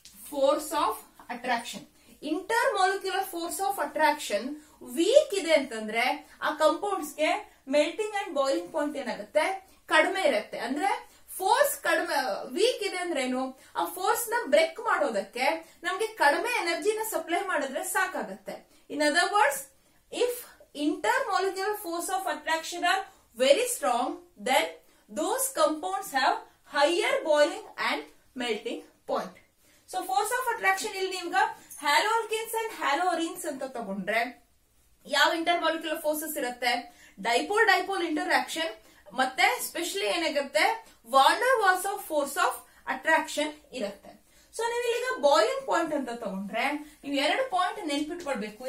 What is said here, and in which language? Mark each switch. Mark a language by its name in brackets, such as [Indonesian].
[Kannada] Force of attraction, inter molecular force of attraction weak ಇದೆ ಅಂತಂದ್ರೆ ಆ ಕಂಪೌಂಡ್ಸ್ಗೆ ಮೆಲ್ಟಿಂಗ್ ಅಂಡ್ ಬಾಯ್ಲಿಂಗ್ ಪಾಯಿಂಟ್ ಏನಾಗುತ್ತೆ, ಕಡಿಮೆ ಇರುತ್ತೆ. ಅಂದ್ರೆ ಫೋರ್ಸ್ ಕಡಿಮೆ, ವೀಕ್ ಇದೆ ಅಂದ್ರೇನು, ಆ ಫೋರ್ಸ್ ನ ಬ್ರೇಕ್ ಮಾಡೋದಕ್ಕೆ ನಮ್ಗೆ ಕಡಿಮೆ ಎನರ್ಜಿನ ಸಪ್ಲೈ ಮಾಡಿದ್ರೆ ಸಾಕಾಗತ್ತೆ. [English] In other words, if intermolecular force of attraction are very strong, then those compounds have higher boiling and melting point. [Kannada] So force of attraction ಇಲ್ಲಿ ನಿಮಗೆ halogens and halorenes ಅಂತ ತಗೊಂಡ್ರೆ ಯಾವ intermolecular forces ಇರುತ್ತೆ, dipole dipole interaction ಮತ್ತೆ specially ಏನಾಗುತ್ತೆ, von ಡರ್ walls of force of attraction ಇರುತ್ತೆ. So ನೀವು ಈಗ ಬಾಯ್ಲಿಂಗ್ ಪಾಯಿಂಟ್ ಅಂತ ತಗೊಂಡ್ರೆ ನೀವು ಎರಡು ಪಾಯಿಂಟ್ ನೆನ್ಪಿಟ್ಕೊಳ್ಬೇಕು.